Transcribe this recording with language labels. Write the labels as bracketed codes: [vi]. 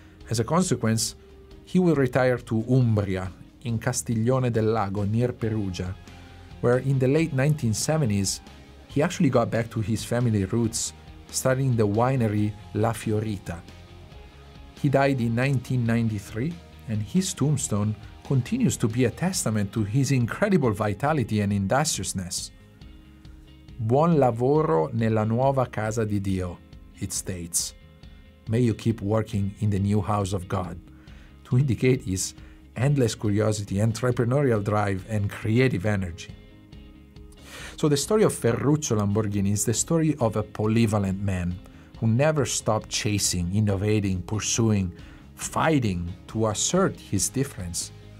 [en] As a consequence, he would retire to Umbria in Castiglione del Lago near Perugia, where in the late 1970s, he actually got back to his family roots, starting the winery La Fiorita. He died in 1993, and his tombstone continues to be a testament to his incredible vitality and industriousness. [it] Buon lavoro nella nuova casa di Dio, [en] it states. May you keep working in the new house of God, to indicate his endless curiosity, entrepreneurial drive, and creative energy. So the story of Ferruccio Lamborghini is the story of a polyvalent man who never stopped chasing, innovating, pursuing, fighting to assert his difference.